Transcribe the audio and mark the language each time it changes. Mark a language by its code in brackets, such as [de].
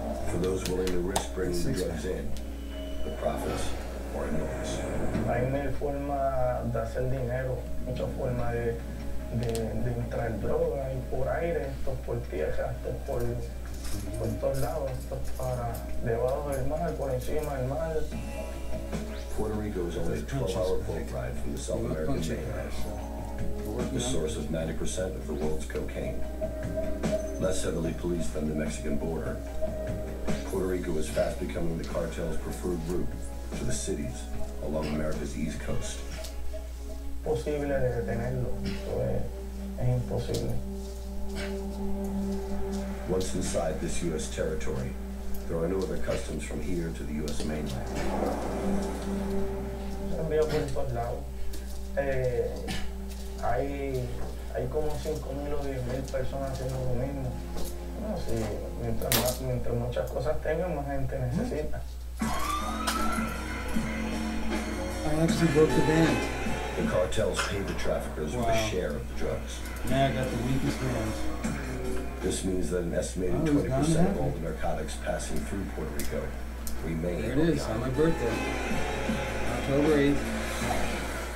[en] For those willing to risk bringing the drugs in, the profits are enormous. [es] Hay una forma de hacer dinero, muchas formas de entrar droga y por aire, esto por tierra, esto por todos lados, esto para debajo del mar, por encima del mar. [en] Puerto Rico is only a 12-hour boat ride from the South American mainland. The source of 90% of the world's cocaine. Less heavily policed than the Mexican border, Puerto Rico is fast becoming the cartel's preferred route to the cities along America's east coast. [es] Posible de detenerlo, es imposible. [en] Once inside this U.S. territory, there are no other customs from here to the U.S. mainland. [es] Veo por todos lados. Hay como 5,000 o 10,000 personas haciendo lo mismo. No sé, mientras muchas cosas tengan, más gente necesita. [en] I actually broke the band. The cartels pay the traffickers with a share of the drugs. Now I got the weakest bands. This means that an estimated 20% of all the narcotics passing through Puerto Rico remain. There it is, on my birthday. October 8th.